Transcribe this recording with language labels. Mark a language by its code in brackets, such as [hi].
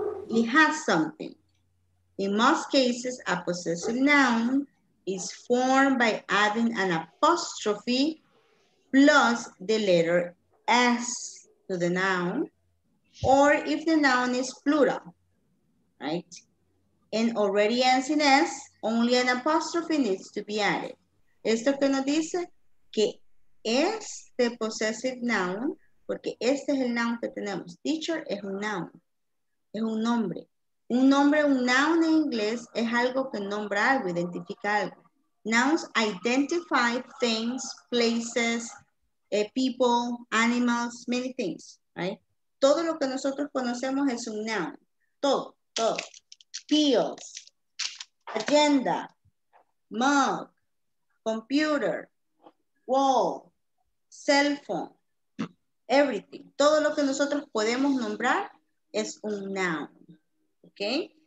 [en] It has something. In most cases, a possessive noun is formed by adding an apostrophe plus the letter S to the noun, or if the noun is plural, right? And already ends in S, only an apostrophe needs to be added. [es] Esto que nos dice que este possessive noun, porque este es el noun que tenemos. Teacher es un noun, es un nombre. Un nombre, un noun en inglés es algo que nombra algo, identifica algo. [en] Nouns identify things, places, people, animals, many things, right? [es] Todo lo que nosotros conocemos es un noun. Todo, todo. [en] Pills, agenda, mug, computer, wall, cell phone, everything. [es] Todo lo que nosotros podemos nombrar es un noun, ¿ok?